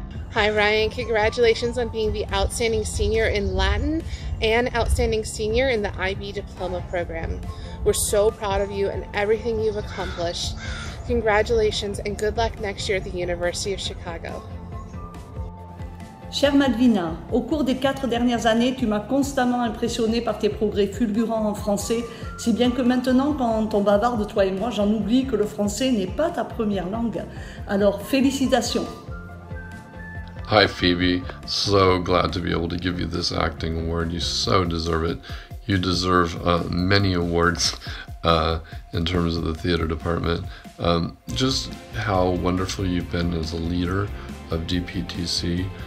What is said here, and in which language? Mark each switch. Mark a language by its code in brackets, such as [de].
[en] Hi Ryan, congratulations on being the outstanding senior in Latin and outstanding senior in the IB Diploma Program. We're so proud of you and everything you've accomplished. Congratulations and good luck next year at the University of Chicago. [fr] Chère Malvina, au cours des 4 dernières années, tu m'as constamment impressionnée par tes progrès fulgurants en français, si bien que maintenant, quand on bavarde, toi et moi, j'en oublie que le français n'est pas ta première langue. Alors, félicitations. [en] Hi Phoebe, so glad to be able to give you this acting award. You so deserve it. You deserve many awards in terms of the theater department. Just how wonderful you've been as a leader of DPTC.